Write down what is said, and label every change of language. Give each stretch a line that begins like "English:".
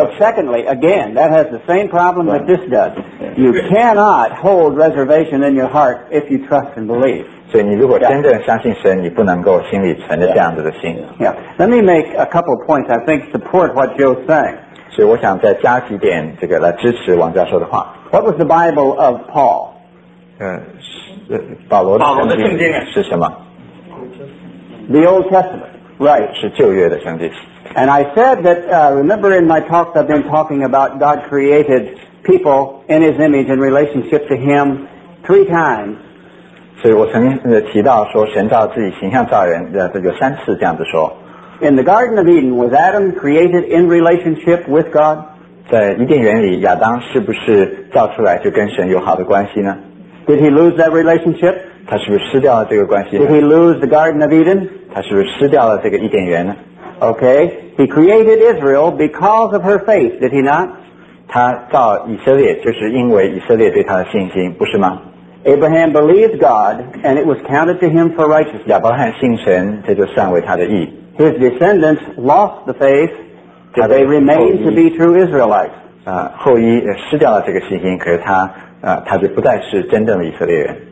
English: But secondly, again, that has the same problem right. that this does. You cannot hold reservation in your heart if you trust and believe.
Chinese: 所以你如果真正相信神，你不能够心里存着这样子的心。
English: Yeah. Let me make a couple of points I think support what Joe's saying.
Chinese: 所以我想再加几点这个来支持王教授的话。
English: What was the Bible of Paul?
Chinese: 保罗的圣经是什么
English: ？The Old Testament, right?
Chinese: 是旧约的圣经。
English: And I said that, remember in my talks I've been talking about God created people in His image in relationship to Him three times.
Chinese: 所以我曾经提到说神造自己形象造人这有三次这样子说
English: In the Garden of Eden was Adam created in relationship with God?
Chinese: 在伊甸园里亚当是不是造出来就跟神有好的关系呢
English: Did he lose that relationship?
Chinese: 他是不是失掉了这个关系呢
English: Did he lose the Garden of Eden?
Chinese: 他是不是失掉了这个伊甸园呢
English: Okay, he created Israel because of her faith, did he not?
Chinese: 他造以色列就是因为以色列对他的信心不是吗
English: Abraham believed God, and it was counted to him for righteousness.
Chinese: 亚伯拉罕信神，这就算为他的义。
English: His descendants lost the faith, but they remained to be true Israelites.
Chinese: 后裔失掉了这个信心，可是他就不再是真正的以色列人。